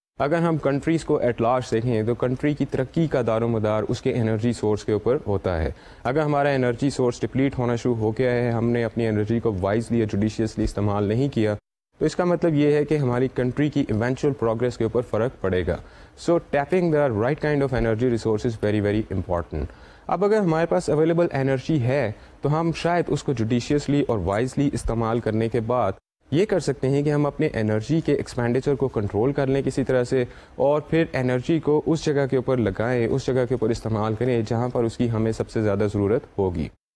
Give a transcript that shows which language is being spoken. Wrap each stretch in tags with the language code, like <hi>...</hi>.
<ur>اگر ہم کنٹریز کو ایٹ لارج دیکھیں تو کنٹری کی ترقی کا دار و مدار اس کے انرجی سورس کے اوپر ہوتا ہے. اگر ہمارا انرجی سورس ڈپلیٹ ہونا شروع ہو گیا ہے, ہم نے اپنی انرجی کو وائزلی یا جوڈیشیسلی استعمال نہیں کیا, تو اس کا مطلب یہ ہے کہ ہماری کنٹری کی ایونچوئل پروگرس کے اوپر فرق پڑے گا.</ur> <en>So tapping the right kind of energy resource is very very important.</en> <ur>اب اگر ہمارے پاس اویلیبل انرجی ہے تو ہم شاید اس کو جوڈیشیسلی اور وائزلی استعمال کرنے کے بعد یہ کر سکتے ہیں کہ ہم اپنے انرجی کے ایکسپینڈیچر کو کنٹرول کر لیں کسی طرح سے, اور پھر انرجی کو اس جگہ کے اوپر لگائیں, اس جگہ کے اوپر استعمال کریں جہاں پر اس کی ہمیں سب سے زیادہ ضرورت ہوگی.</ur>